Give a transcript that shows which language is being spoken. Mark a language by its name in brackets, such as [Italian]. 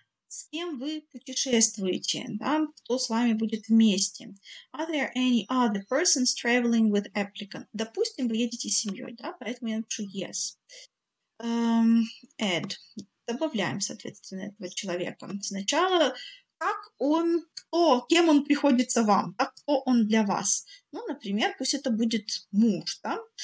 [Russian] с кем вы путешествуете, да, кто с вами будет вместе. [English] Are there any other persons traveling with applicant? [Russian] Допустим, вы едете с семьей, да, поэтому я напишу yes. [English] Add. [Russian] Добавляем, соответственно, этого человека. Сначала, как он, кто, кем он приходится вам, да, кто он для вас. Ну, например, пусть это будет муж, да.